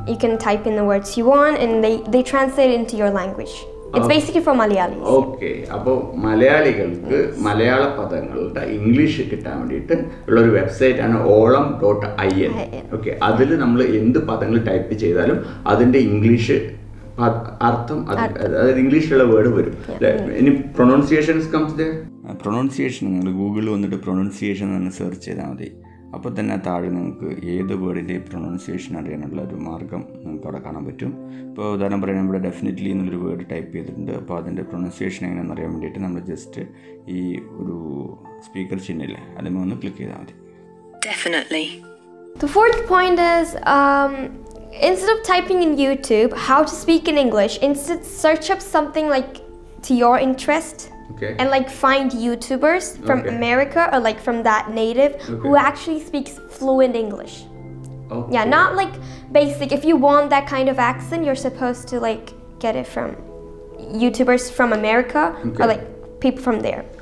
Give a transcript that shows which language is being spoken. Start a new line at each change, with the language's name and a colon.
English: You can type in the words you want and they translate it into your language. It's basically for Malayalis. Okay.
Malayalam: അപ്പോൾ മലയാളികൾക്ക് മലയാള പദങ്ങളുടെ English കിട്ടാൻ വേണ്ടിയിട്ട് ഉള്ള ഒരു വെബ്സൈറ്റ് ആണ് olam.in. ഓക്കെ, അതിൽ നമ്മൾ എന്ത് പദങ്ങൾ ടൈപ്പ് ചെയ്താലും അതിൻ്റെ ഇംഗ്ലീഷ് അർത്ഥം അതായത് ഇംഗ്ലീഷിലുള്ള വേർഡ് വരും. ഇനി
English: Pronunciations comes there.
Malayalam: പ്രൊനൗൺസിയേഷൻ നിങ്ങൾ ഗൂഗിളിൽ വന്നിട്ട് പ്രൊനൗൺസിയേഷൻ എന്ന് സെർച്ച് ചെയ്താൽ മതി. അപ്പോൾ തന്നെ താഴെ നിങ്ങൾക്ക് ഏത് വേർഡിൻ്റെ പ്രൊനൗൺസിയേഷൻ അറിയാനുള്ള ഒരു മാർഗം നിങ്ങൾക്ക് അവിടെ കാണാൻ പറ്റും. ഇപ്പോൾ ഉദാഹരണം പറയുന്നത് ഇവിടെ ഡെഫിനറ്റ്ലി എന്നൊരു വേർഡ് ടൈപ്പ് ചെയ്തിട്ടുണ്ട്. അപ്പോൾ അതിൻ്റെ പ്രൊനൗൺസിയേഷൻ എങ്ങനെയാണെന്ന് അറിയാൻ വേണ്ടിയിട്ട് നമ്മൾ ജസ്റ്റ് ഈ ഒരു സ്പീക്കർ ചിഹ്നമില്ലേ അതിൽ ഒന്ന് ക്ലിക്ക് ചെയ്താൽ മതി.
English: Definitely. The fourth point is instead of typing in YouTube how to speak in English instead search up something like to your interest. Okay. And like find YouTubers from okay. America or like from that native okay. who actually speaks fluent English. Okay. Yeah, not like basic. If you want that kind of accent, you're supposed to like get it from YouTubers from America okay. or like people from there.